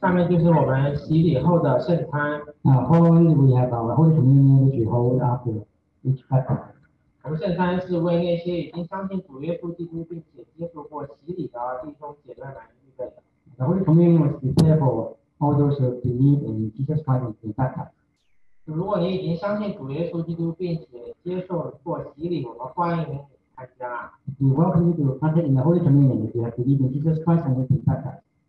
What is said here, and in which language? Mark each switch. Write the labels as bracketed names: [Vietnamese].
[Chinese] 下面就是我们洗礼后的圣餐。 [English] Holy, we have our Holy Communion which we hold after each baptism. [Chinese] 我们圣餐是为那些已经相信主耶稣基督并且接受过洗礼的弟兄姐妹们预备的。 [English] The Holy Communion was prepared for all those who believe in Jesus Christ and been baptized. [Chinese] 如果你已经相信主耶稣基督并且接受过洗礼，我们欢迎你参加。 [English] We welcome you to participate in the Holy Communion if you have believed in Jesus Christ and been baptized.